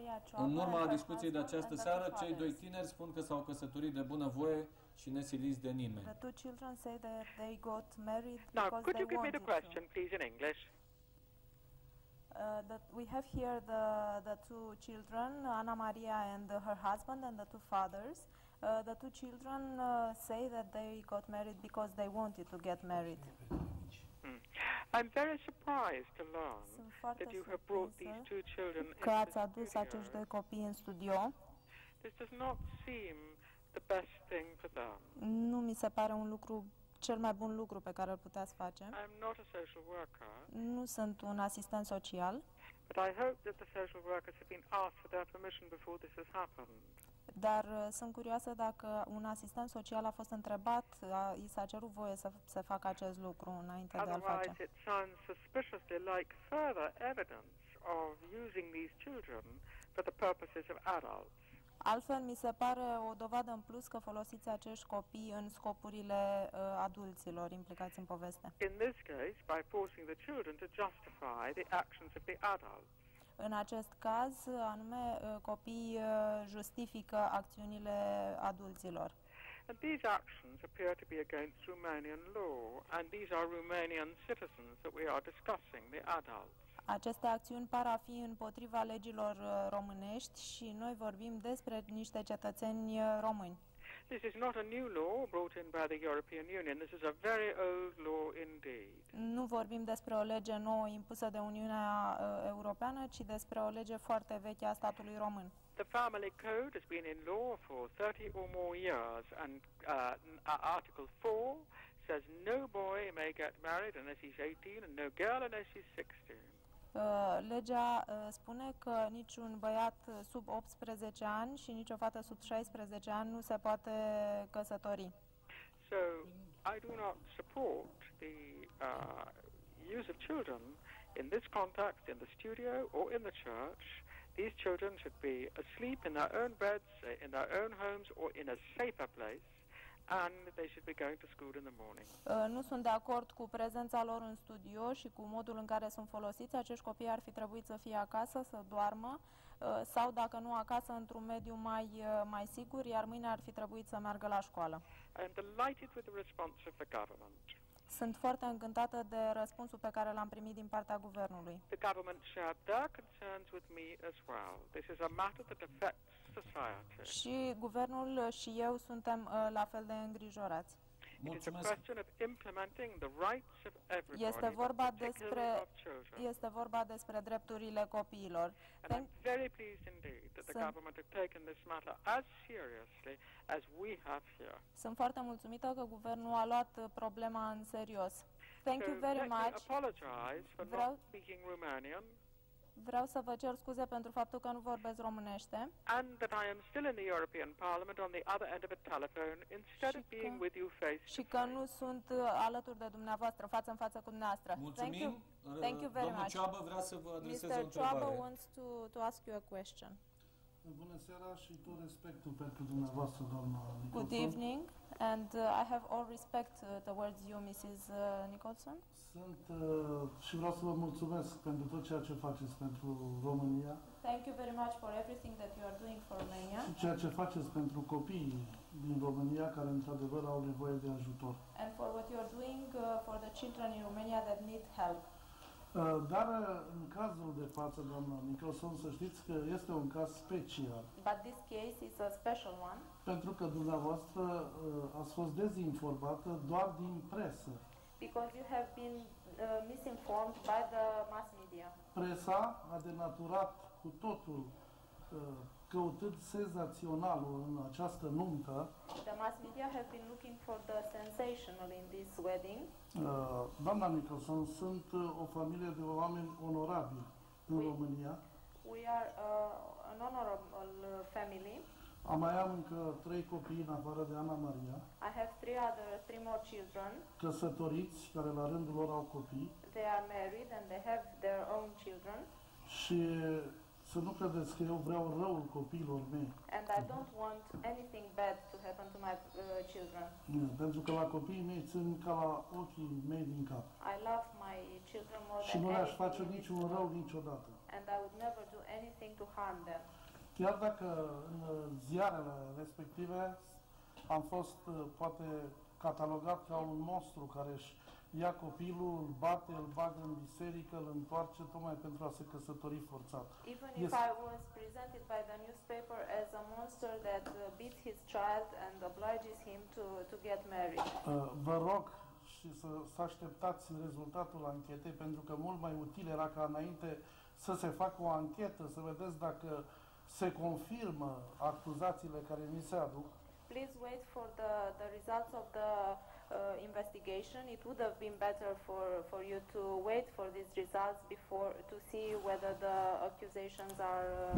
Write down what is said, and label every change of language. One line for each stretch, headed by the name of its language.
Romanian: În urma discuției de această seară, cei doi tineri spun că s-au căsătorit de bună voie și nesiliți de nimeni.
English: The two children say that they got married because they wanted to. Now, could you give me the question, please, in English? That we have here the two children, Ana Maria and her husband and the two fathers. The two children say that they got married because they wanted to get married. I'm very surprised to learn that you have brought these two children into the studio. This does not seem the best thing for them.
Romanian: Nu mi se pare un lucru cel mai bun lucru pe care îl puteți face.
English: I'm not a social worker.
Romanian: Nu sunt un asistent social.
English: But I hope that the social workers have been asked for their permission before this has happened.
Romanian: Dar sunt curioasă dacă un asistent social a fost întrebat, i s-a cerut voie să se facă acest lucru înainte de a-l face.
English: Otherwise, it sounds suspiciously like further evidence of using these children for the purposes of adults.
Romanian: Altfel, mi se pare o dovadă în plus că folosiți acești copii în scopurile adulților implicați în poveste.
English: In this case, by forcing the children to justify the actions of the adults.
Romanian: În acest caz, anume, copiii justifică acțiunile adulților.
English: And these actions appear to be against Romanian law, and these are Romanian citizens that we are discussing, the adults.
Romanian: Aceste acțiuni par a fi împotriva legilor românești și noi vorbim despre niște cetățeni români.
English: This is not a new law brought in by the European Union. This is a very old law indeed.
Romanian: Nu vorbim despre o lege nouă impusă de Uniunea Europeană, ci despre o lege foarte veche a statului român.
English: The family code has been in law for 30 or more years and article 4 says no boy may get married unless he's 18 and no girl unless she's 16.
Romanian: Legea spune că niciun băiat sub 18 ani și nici o fată sub 16 ani nu se poate căsători.
English: So, I do not support the use of children in this context, in the studio or in the church. These children should be asleep in their own beds, in their own homes or in a safer place, And they should be going to school in the morning.
Romanian: Nu sunt de acord cu prezența lor în studio și cu modul în care sunt folosiți. Acești copii ar fi trebuit să fie acasă, să doarmă, sau dacă nu acasă, într-un mediu mai sigur, iar mâine ar fi trebuit să meargă la școală.
English: I'm delighted with the response of the government.
Romanian: Sunt foarte încântată de răspunsul pe care l-am primit din partea guvernului.
English: The government shared their concerns with me as well. This is a matter that affects society.
Romanian: Și guvernul și eu suntem la fel de îngrijorați. Este vorba despre drepturile copiilor. Sunt foarte mulțumită că guvernul a luat problema în serios.
English: Thank you very much.
Romanian: Vreau să vă cer scuze pentru faptul că nu vorbesc românește.
English: And that I am still in the European Parliament on the other end of a telephone instead of being with you face to face.
Romanian: Și că nu sunt alături de dumneavoastră, față în față cu dumneavoastră. Mulțumim.
English: Thank you very much.
Romanian: Domnul Ciobă vrea să vă adreseze o întrebare.
English: Mr. Ciobă wants to ask you a question.
Romanian: Bună seara și tot respectul pentru dumneavoastră, doamna Nicholson.
English: Good evening, and I have all respect towards you, Mrs. Nicholson.
Romanian: Sunt și vreau să vă mulțumesc pentru tot ceea ce faceți pentru România.
English: Thank you very much for everything that you are doing for Romania.
Romanian: Și ceea ce faceți pentru copiii din România care într-adevăr au nevoie de ajutor.
English: And for what you are doing for the children in Romania that need help.
Romanian: Dar în cazul de față, doamna Nicholson, să știți că este un caz special.
English: But this case is a special one.
Romanian: Pentru că dumneavoastră ați fost dezinformată doar din presă.
English: Because you have been misinformed by the mass media.
Romanian: Presa a denaturat cu totul, căutând senzaționalul în această nuntă.
English: The mass media have been looking for the sensational in this wedding.
Romanian: Doamna Nicholson, sunt o familie de oameni onorabili în România.
English: We are an honorable family.
Romanian: Mai am încă trei copii în afară de Ana Maria.
English: I have three more children.
Romanian: Căsătoriți, care la rândul lor au copii.
English: They are married and they have their own children.
Romanian: Și să nu credeți că eu vreau răul copiilor mei.
English: And I don't want anything bad to happen to my children.
Romanian: Pentru că la copiii mei țin ca la ochii mei din cap.
English: I love my children more than anything.
Romanian: Și nu le-aș face niciun rău niciodată.
English: And I would never do anything to harm them.
Romanian: Chiar dacă în ziarele respective am fost poate catalogat ca un monstru care își ia copilul, îl bate, îl bagă în biserică, îl întoarce tocmai pentru a se căsători forțat.
English: Even if I was presented by the newspaper as a monster that beats his child and obliges him to get married.
Romanian: Vă rog și să așteptați rezultatul anchetei, pentru că mult mai util era ca înainte să se facă o anchetă, să vedeți dacă se confirmă acuzațiile care mi se aduc.
English: Please wait for the results of the investigation. It would have been better for you to wait for these results before to see whether the accusations are